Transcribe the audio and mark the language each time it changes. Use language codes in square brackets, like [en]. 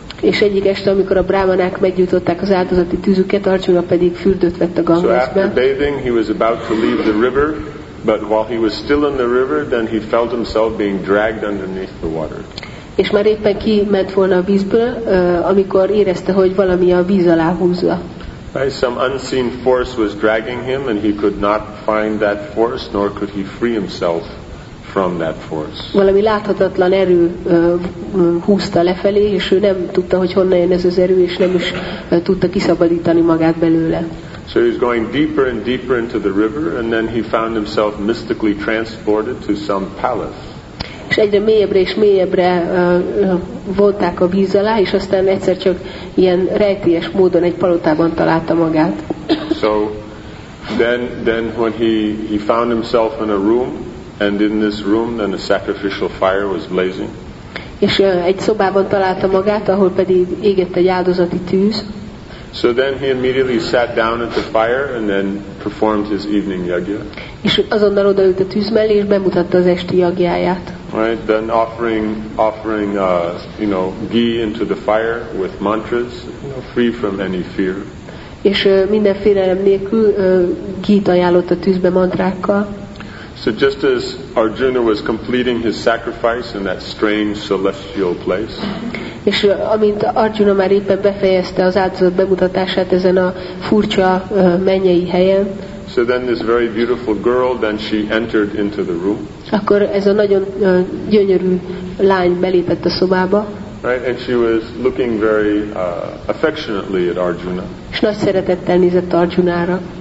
[hu] És egyik este, amikor a brahmanák meggyújtották az áldozati tűzüket, Arjuna pedig fürdőt vett a Gangesben. [en] So after bathing, he was about to leave the river, but while he was still in the river, then he felt himself being dragged underneath the water. [hu] És már éppen ki ment volna a vízből, amikor érezte, hogy valami a víz alá húzza. [en] Some unseen force was dragging him, and he could not find that force, nor could he free himself from that force. [hu] Valami láthatatlan erő húzta lefelé, és ő nem tudta, hogy honnan jön ez az erő, és nem is tudta kiszabadítani magát belőle. [en] So he's going deeper and deeper into the river, and then he found himself mystically transported to some palace. [hu] És egyre mélyebbre és mélyebbre vonták a víz alá, és aztán egyszer csak ilyen rejtélyes módon egy palotában találta magát. [en] So then when he found himself in a room, and in this room then a sacrificial fire was blazing. [hu] És egy szobában találta magát, ahol pedig égett egy áldozati tűz. [en] So then he immediately sat down at the fire and then performed his evening yagya. [hu] És azonnal odaült a tűz mellé, és bemutatta az esti yagyáját. [en] Right, then offering you know, ghee into the fire with mantras, you know, free from any fear. [hu] És minden félelem nélkül ghee-t ajánlott a tűzbe mantrákkal. [en] So just as Arjuna was completing his sacrifice in that strange celestial place. [hu] És amint Arjuna már éppen befejezte az áldozat bemutatását ezen a furcsa mennyei helyen. [en] So then this very beautiful girl, then she entered into the room. [hu] Akkor ez a nagyon gyönyörű lány belépett a szobába. [en] Right, and she was looking very affectionately at Arjuna. [hu] És nagy szeretettel nézett Arjunára.